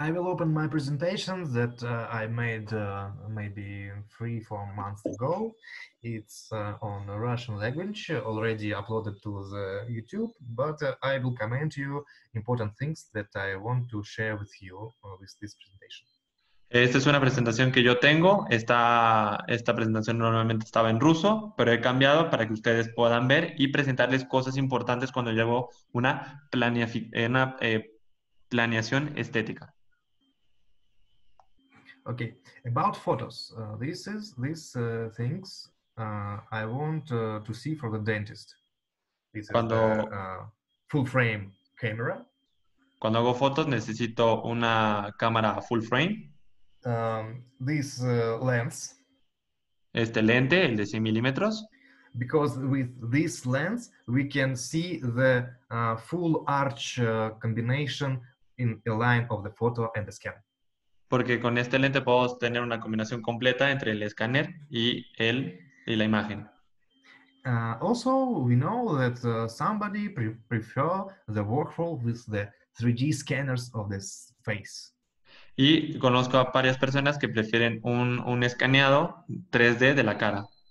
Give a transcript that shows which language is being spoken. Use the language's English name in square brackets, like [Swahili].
[English] I will open my presentation that I made maybe 3-4 months ago. It's on Russian language, already uploaded to the YouTube, but I will comment you important things that I want to share with you with this presentation. [Spanish] Esta es una presentación que yo tengo. Esta presentación normalmente estaba en ruso, pero he cambiado para que ustedes puedan ver y presentarles cosas importantes cuando llevo una planeación estética. [English] Okay, about photos. These things I want to see for the dentist. This [Spanish] cuando, [English] is the full frame camera. [Spanish] Cuando hago fotos necesito una cámara full frame. [English] This lens. [Spanish] Este lente, el de 100 milímetros. [English] Because with this lens we can see the full arch combination in a line of the photo and the scan. [Spanish] Porque con este lente puedo tener una combinación completa entre el escáner y la imagen. [English] Also, we know that somebody prefer the workflow with the 3D scanners of the face. [Spanish] Y conozco a varias personas que prefieren un escaneado 3D de la cara.